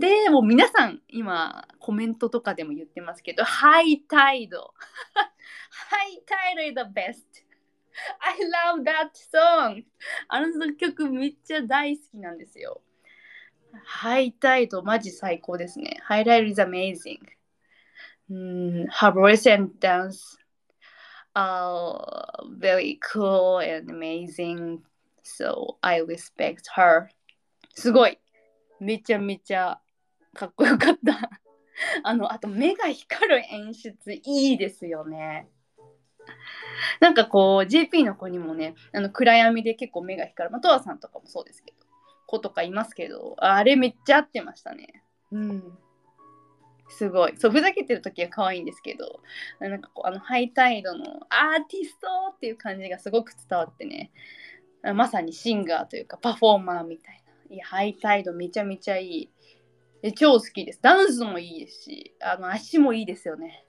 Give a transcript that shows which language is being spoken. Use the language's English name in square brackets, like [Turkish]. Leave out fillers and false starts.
[Japanese] でもう皆さん今コメントとかでも言ってますけど、ハイタイドハイタイド [English] is the bestI love that song! [Japanese] あの曲めっちゃ大好きなんですよ。ハイタイドマジ最高ですね。 [English] ハイタイド is amazing. Her voice and dance are very cool and amazing. So I respect her. [Japanese] すごい。めちゃめちゃかっこよかった。あと目が光る演出いいですよね。なんかこう JP の子にもね、暗闇で結構目が光る、まあ、トワさんとかもそうですけど子とかいますけど、あれめっちゃ合ってましたね。うん、すごい、そうふざけてる時は可愛いんですけど、なんかこうあのハイタイドのアーティストっていう感じがすごく伝わってね、まさにシンガーというかパフォーマーみたいな、いやハイタイドめちゃめちゃいい、え、超好きです。ダンスもいいですし、あの足もいいですよね。